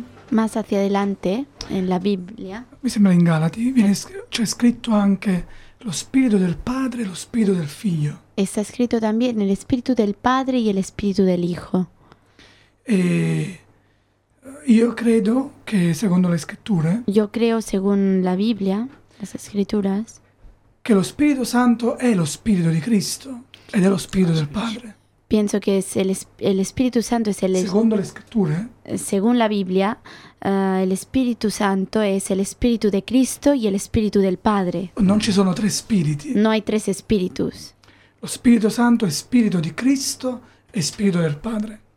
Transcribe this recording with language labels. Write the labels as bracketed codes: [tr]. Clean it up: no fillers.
[es] Más hacia adelante, en la Biblia. [it] Mi sembra in Galati, c'è scritto anche lo spirito del padre e lo spirito del figlio. [es] Está escrito también el espíritu del padre y el espíritu del hijo. [it] E io credo che secondo le scritture. [es] Yo creo según la Biblia, las escrituras. [it] Che lo Spirito Santo è lo spirito di Cristo ed è lo spirito del padre. [es] Pienso que es el Espíritu Santo es el segundo la escritura. Según la Biblia, el Espíritu Santo es el Espíritu de Cristo y el Espíritu del Padre. [it] No ci sono tre spiriti. [es] No hay tres espíritus. [it] Lo Spirito Santo [es] es Espíritu de Cristo, Espíritu del Padre.